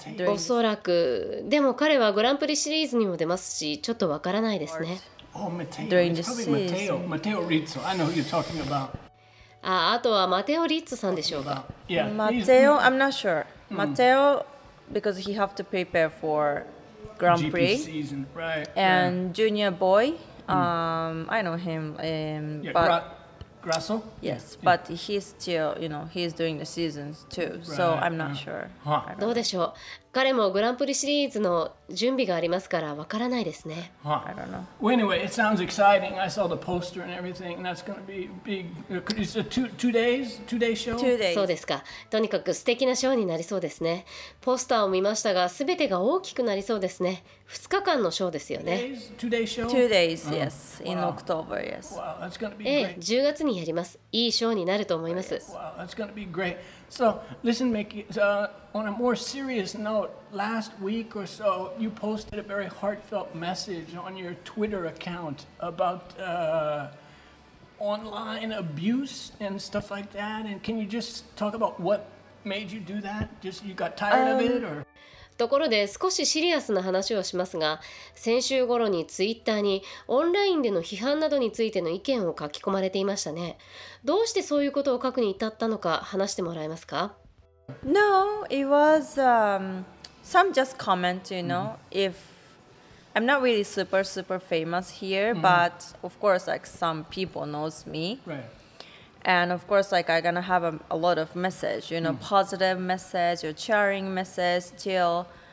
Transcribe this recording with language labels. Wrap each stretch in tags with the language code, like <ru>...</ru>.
<ja>おそらくでも彼はグランプリシリーズにも出ますしちょっとわからないですね。あとはマテオ・リッツさんでしょうか。マテオ、</ja> <en>I'm not sure.</en> <ja>マテオ、</ja> <en>because he have to prepare for Grand Prix GP season. Right. And junior boy, I know him, but Grassel? Yes, but he's still, you know, he's doing the seasons too, so I'm not sure.</en> <ja>どうでしょう。彼もグランプリシリーズの準備がありますからわからないですね。</ja> <en>I don't know. Well, anyway, it sounds exciting. I saw the poster and everything, and that's going to be big. It's a two-day show? 2 days.</en> <ja>そうですか。とにかく素敵なショーになりそうですね。ポスターを見ましたが、すべてが大きくなりそうですね。 2日間のショーですよね。</ja> <en>2 days, yes. In October, yes. Wow, that's going to be great. 10</en> <ja>月にやります。いいショーになると思います。</ja> <en>Wow, that's going to be great. So, listen, Mickey, on a more serious note, last week or so, you posted a very heartfelt message on your Twitter account about online abuse and stuff like that. And can you just talk about what made you do that? Just you got tired of it or...</en> <ja>ところで少しシリアスな話をしますが、先週頃にツイッターにオンラインでの批判などについての意見を書き込まれていましたね。どうしてそういうことを書くに至ったのか話してもらえますか?</ja> <en>No, it was some just comment, you know, if I'm not really super, super famous here, but of course, like some people knows me. Right. And of course, like, I'm going to have a lot of message, you know, positive message or cheering message still.</en>